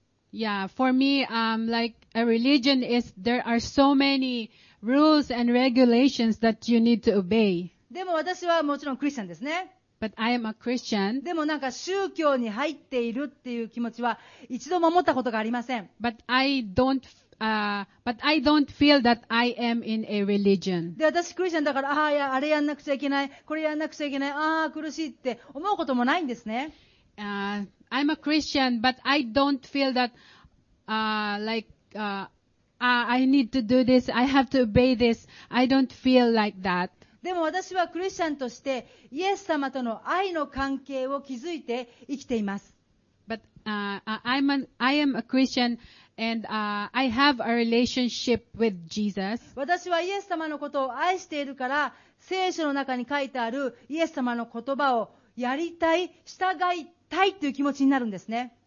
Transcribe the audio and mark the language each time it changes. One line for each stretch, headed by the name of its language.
English: Yeah, for me, like a religion is, there are so many rules and regulations that you need to obey.
Japanese: でも私はもちろんクリスチャンですね。
English: But I am a Christian.
Japanese: でもなんか宗教に入っているっていう気持ちは一度も思ったことがありません。
English: But I don't feelBut I don't feel that I am in a religion.
Japanese: で、私クリスチャンだから、ああ、あれやんなくちゃいけない、これやんなくちゃいけない、ああ、苦しいって思うこともないんですね。
English: I'm a Christian, but I don't feel that, I need to do this, I have to obey this. I don't feel like that.
Japanese: でも私はクリスチャンとして、イエス様との愛の関係を築いて生きています。
English: But, I am a Christian And, I have a relationship with Jesus.
Japanese: 私はイエス様のことを愛しているから、聖書の中に書いてあるイエス様の言葉をやりたい、従いたいという気持ちになるんですね。